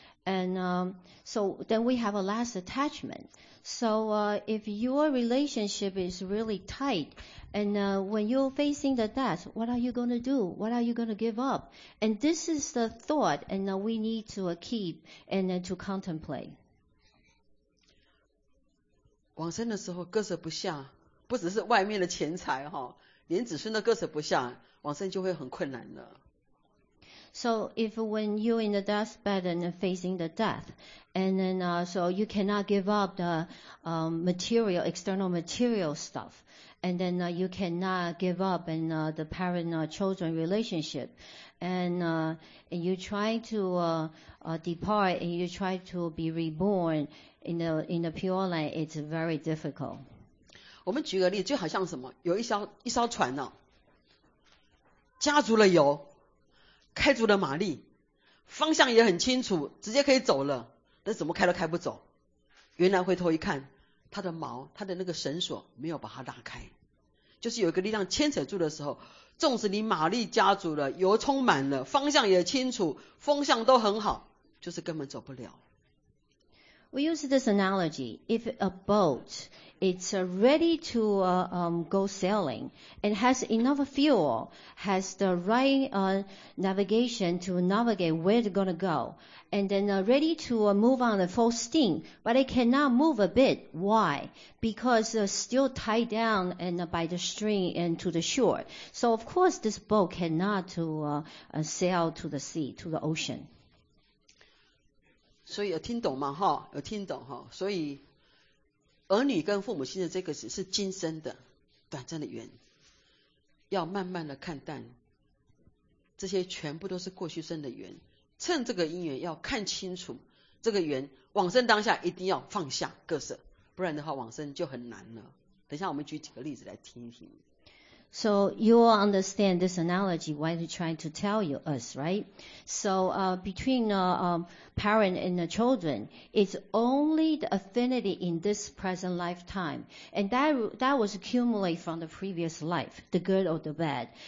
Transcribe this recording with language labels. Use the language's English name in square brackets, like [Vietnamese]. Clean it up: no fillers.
[English] And so then we have a last attachment. So if your relationship is really tight, and when you're facing the death, what are you going to do? What are you going to give up? And this is the thought, and we need to keep and to contemplate. [Chinese] 往生的时候割舍不下，不只是外面的钱财哈，连子孙都割舍不下，往生就会很困难了。 [English] So if when you're in the deathbed and facing the death, and then so you cannot give up the material, external material stuff, and then you cannot give up in the parent-children relationship, and you try to depart and you try to be reborn in the pure land, it's very difficult. [Chinese] 我们举个例子，就好像什么，有一艘船呢，加足了油。开足了马力，方向也很清楚，直接可以走了，但怎么开都开不走。原来回头一看，他的锚，他的那个绳索没有把它拉开，就是有一个力量牵扯住的时候，纵使你马力加足了，油充满了，方向也清楚，风向都很好，就是根本走不了。 [English] We use this analogy. If a boat is ready to go sailing and has enough fuel, has the right navigation to navigate where they're going to go, and then ready to move on the full steam, but it cannot move a bit. Why? Because it's still tied down and by the string and to the shore. So of course this boat cannot to sail to the sea, to the ocean. [Chinese] 所以有听懂吗？哈，有听懂哈。所以儿女跟父母亲的这个是今生的短暂的缘，要慢慢的看淡。这些全部都是过去生的缘，趁这个因缘要看清楚这个缘，往生当下一定要放下割舍，不然的话往生就很难了。等一下我们举几个例子来听一听。 [English] So you all understand this analogy, why they're trying to tell you us, right? So between parent and the children, it's only the affinity in this present lifetime. And that was accumulated from the previous life, the good or the bad.